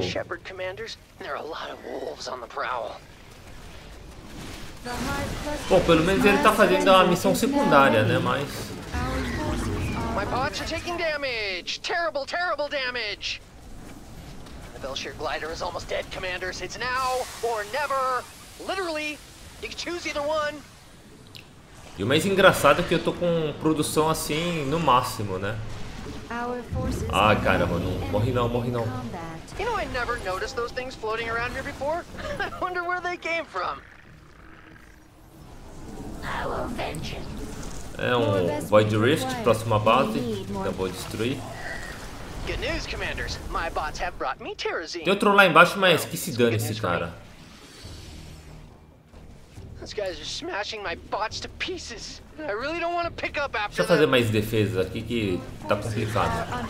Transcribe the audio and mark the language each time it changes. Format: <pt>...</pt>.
<en>Shepherd commanders, there are a lot of wolves on the prowl.</en> <pt>Bom, pelo menos ele tá fazendo a missão secundária, né, mas</pt> <en>my bots are taking damage. Terrible, terrible damage. The Belshir glider is almost dead, commanders. It's now or never. Literally, you can choose either one.</en> <pt>E o mais engraçado é que eu tô com produção assim no máximo, né? Ah, caramba, não. Morri não.</pt> <en>You know, I never noticed those things floating around here before. I wonder where they came from. Our vengeance.</en> <pt>É um Void Rift, próxima base, eu vou destruir.</pt> <en>Good news, commanders. My bots have brought me Terezin.</en> <pt>Tem outro lá embaixo, mas que se dane esse cara.</pt> <en>These guys are smashing my bots to pieces. I really don't want to pick up after.</en> <pt>Deixa eu fazer mais defesa aqui que tá complicado.</pt>